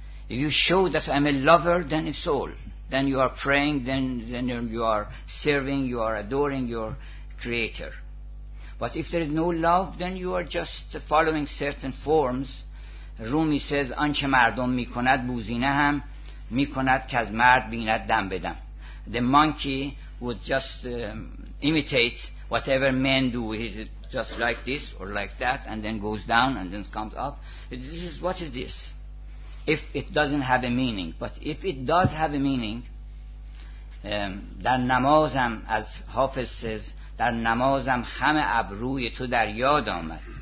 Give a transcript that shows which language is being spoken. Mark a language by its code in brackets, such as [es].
[en] If you show that I'm a lover, then it's all. Then you are praying, then you are serving, you are adoring your Creator. But if there is no love, then you are just following certain forms. Rumi says, [fa] آنچه مردم میکند بوزینه هم میکند که از مرد بیند دم بدم. [en] The monkey would just imitate whatever men do. He is just like this or like that, and then goes down and then comes up. This is, what is this? If it doesn't have a meaning. But if it does have a meaning, [fa] در نمازم, [en] as Hafiz says, [fa] در نمازم خم ابروی تو در یاد آمد.